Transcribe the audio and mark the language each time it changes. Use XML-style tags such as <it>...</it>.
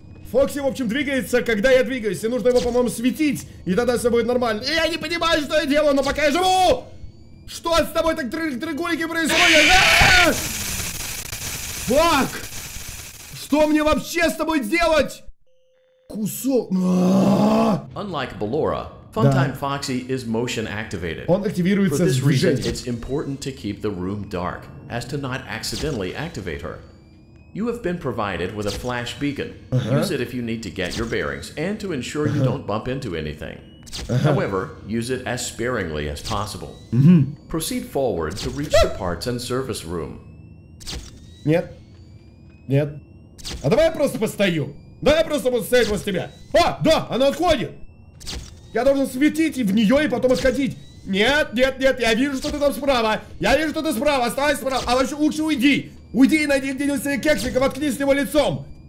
<ru>Фокси, в общем, двигается, когда я двигаюсь. И нужно его, по-моему, светить. И тогда все будет нормально. И я не понимаю, что я делаю, но пока я живу. Что с тобой так дрыгулики происходят? Фак. Что мне вообще с тобой делать? Кусок.</ru> <en>Unlike Ballora. Funtime Foxy is motion activated.</en> <ru>Он активируется с движением.</ru> <en>For this reason, it's important to keep the room dark, as to not accidentally activate her. You have been provided with a flash beacon. Use it if you need to get your bearings, and to ensure you don't bump into anything. However, use it as sparingly as possible. Proceed forward to reach the parts and service room.</en> <ru>Нет. А давай я просто постою. Давай я просто постою возле тебя. А, да, она отходит. Я должен светить и в нее, и потом отходить. Нет, я вижу, что ты там справа. Оставайся справа. А вообще лучше уйди. Уйди и найди где-нибудь себе кексик и воткни с него лицом.</ru>